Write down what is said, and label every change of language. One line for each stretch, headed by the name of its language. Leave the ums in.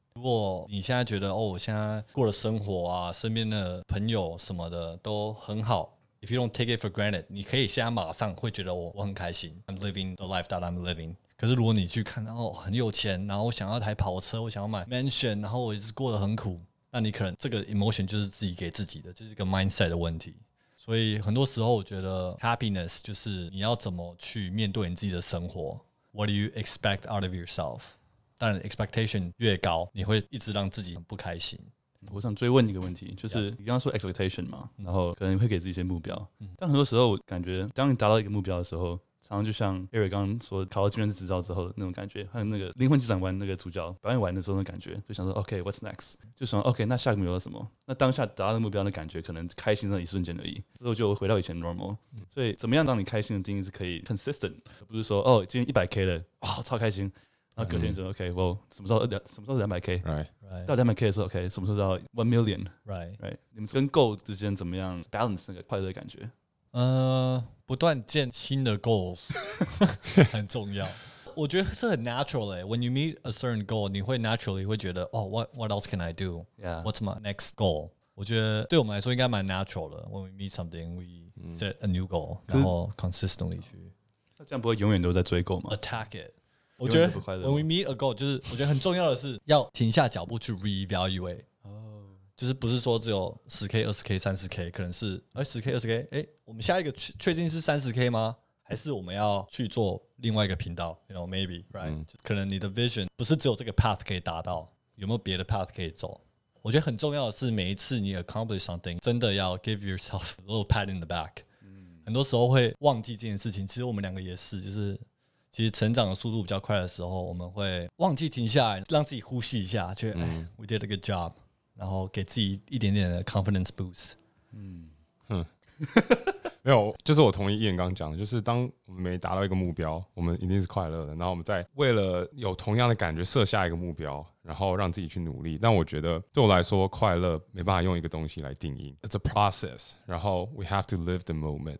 Chinese: 如果你现在觉得哦，我现在过的生活啊，身边的朋友什么的都很好，
English: if you don't take it for granted，
Chinese: 你可以现在马上会觉得我我很开心，
English: I'm living the life that I'm living。
Chinese: 可是如果你去看，然、哦、后很有钱，然后我想要台跑车，我想要买 mansion，然后我一直过得很苦，那你可能这个 emotion 就是自己给自己的，这、就是一个 mindset 的问题。所以很多时候我觉得 happiness 就是你要怎么去面对你自己的生活。
English: What do you expect out of yourself？
Chinese: 当然，expectation 越高，你会一直让自己很不开心。我想追问一个问题，就是你刚刚说 expectation 嘛，嗯、然后可能会给自己一些目标。嗯、但很多时候，我感觉当你达到一个目标的时候，常常就像 e r i c 刚刚说，考到计算机执照之后那种感觉，还有那个《灵魂计长官、那个主角表演完的时候那感觉，就想说
English: OK，what's、okay, next？、
Chinese: 嗯、就想 OK，那下一个目标是什么？那当下达到目标的感觉，可能开心的一瞬间而已，之后就回到以前 normal。所以，怎么样让你开心的定义是可以 consistent，不是说哦，今天一百 K 了，哇、哦，超开心。那后隔天说 OK，我什么时候两什么时候两百 K，到两百 K 的时候 OK，什么时候到
English: one million， right right，
Chinese: 你们跟 goal 之间怎么样 balance 那个快乐的感觉？呃，不断建新的 goals，很重要。我觉得是很
English: natural 诶，when you meet a certain goal，你会 natural l y
Chinese: 会觉得哦，
English: what what else can I do？Yeah，what's my next goal？
Chinese: 我觉得对我们来说应该蛮 natural 的。
English: When we meet something，we set a new goal，然后 consistently 去。
Chinese: 那这样不会永远都在追 goal 吗？Attack
English: it。
Chinese: 我觉得，
English: when we meet ago，
Chinese: 就是我觉得很重要的是要停下脚步去 reevaluate。哦、e，oh. 就是不是说只有十 k、二十 k、三十 k，可能是哎十 k、二十 k，哎、欸，我们下一个确确定是三十 k 吗？还是我们要去做另外一个频道？
English: You know maybe right？、
Chinese: Mm. 可能你的 vision 不是只有这个 path 可以达到，有没有别的 path 可以走？我觉得很重要的是，每一次你
English: accomplish something，
Chinese: 真的要
English: give yourself a little pat in the back。
Chinese: 嗯，很多时候会忘记这件事情。其实我们两个也是，就是。其实成长的速度比较快的时候，我们会忘记停下来，让自己呼吸一下，去。嗯。
English: We did a good job，
Chinese: 然后给自己一点点的
English: confidence boost。嗯。嗯。
Chinese: 没有，就是我同意一言刚刚讲的，就是当我们没达到一个目标，我们一定是快乐的。然后我们再为了有同样的感觉设下一个目标，然后让自己去努力。但我觉得对我来说，快乐没办法用一个东西来定义。
English: It's a process，然后 we have to live the moment。